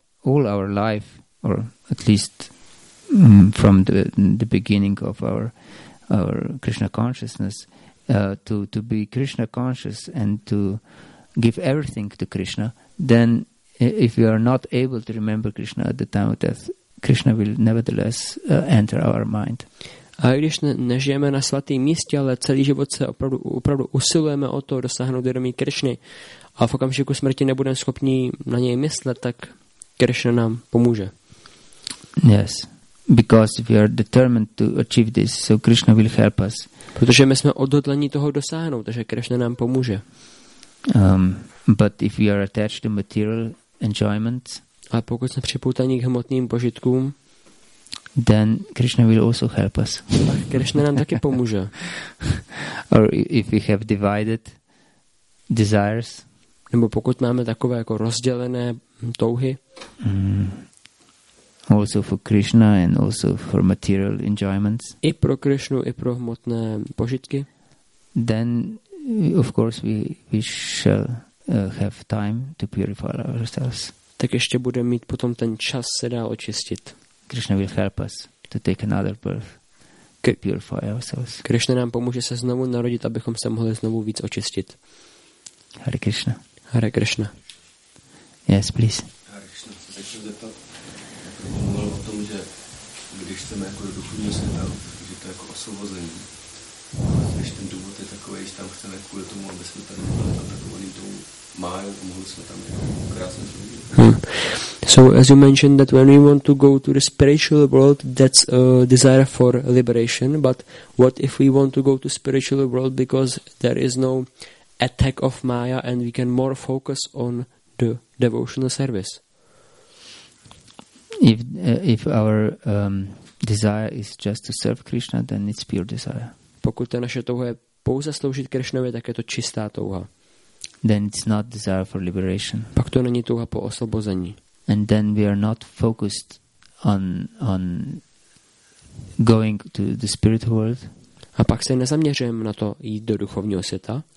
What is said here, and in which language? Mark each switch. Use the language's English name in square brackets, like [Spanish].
[English] all our life, or at least from the beginning of our Krishna consciousness, to be Krishna conscious and to give everything to Krishna, then if we are not able to remember Krishna at the time of death, Krishna will nevertheless enter our mind. [Czech] A když nežijeme na svatém místě, ale celý život se opravdu usilujeme o to dosáhnout vědomí Krishny, a v okamžiku smrti nebudeme schopni na něj myslet, tak Krishna nám pomůže. [English] Yes, because we are determined to achieve this, so Krishna will help us. [Czech] Protože my jsme odhodlení toho dosáhnout, takže Krishna nám pomůže. [English] But if we are attached to material enjoyment, [Czech] a pokud jsme připoutaní k hmotným požitkům, [English] then Krishna will also help us. [Czech] Krishna nám taky pomůže. [English] Or if we have divided desires, [Czech] nebo pokud máme takové jako rozdělené touhy, [English] also for Krishna and also for material enjoyments, [Czech] i pro Krishnu, i pro hmotné požitky, [English] then of course we shall have time to purify ourselves. [Czech] Tak ještě budeme mít potom ten čas se dá očistit. [English] Krishna will help us to take another birth to purify ourselves. [Czech] Krishna nám pomůže se znovu narodit, abychom se mohli znovu víc očistit. Hare Krishna. Hare Krishna. [English] Yes, please. Hare Krishna. [Czech] Chci se zeptat, mluvil o tom, že když jsme jako do duchovního světa, že to je jako osvobození. Když ten důvod je takový, že tam chceme kvůli tomu, aby jsme tam byli atakovaný tomu máju, mohli jsme tam krásně zvědět. [English] So as you mentioned that when we want to go to the spiritual world, that's a desire for liberation. But what if we want to go to spiritual world because there is no attack of Maya and we can more focus on the devotional service? If our desire is just to serve Krishna, then it's pure desire. [Czech] Pokud ta naše touha je pouze sloužit Krishnovi, tak je to čistá touha. [English] Then it's not desire for liberation. [Czech] Pak to není touha po osvobození. [English] And then we are not focused on going to the spirit world. [Czech] A pak se nezaměřujeme na to jít do duchovního světa.